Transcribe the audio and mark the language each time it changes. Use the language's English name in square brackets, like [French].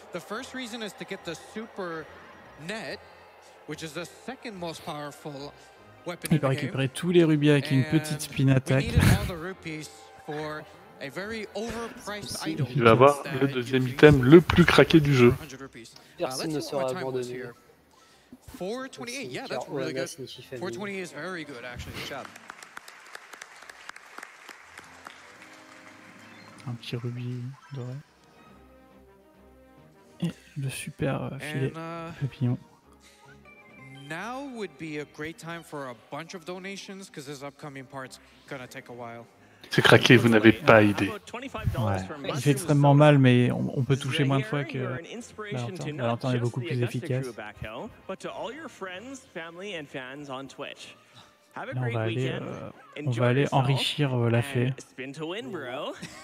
[English] The first reason is to get the super net, which is the second most powerful weapon in the game. [French] Il récupérait tous les rubis avec une petite spin attack. [English] We needed all the rupees for a very overpriced item. [French] Il va avoir le deuxième item le plus craqué du jeu. Personne ne sera abandonné. [English] 428, yeah, that's really good. 420 is very good, actually. Good job. [French] Un petit rubis doré. Et le super filet de pignon. [English] Now would be a great time for a bunch of donations, because this upcoming part's gonna take a while. [French] C'est craqué, vous n'avez pas idée. Ouais. Il fait extrêmement mal, mais on peut toucher moins de fois que Valentin est beaucoup plus efficace. Là, on va aller enrichir la fée. [English] Spin to win, bro.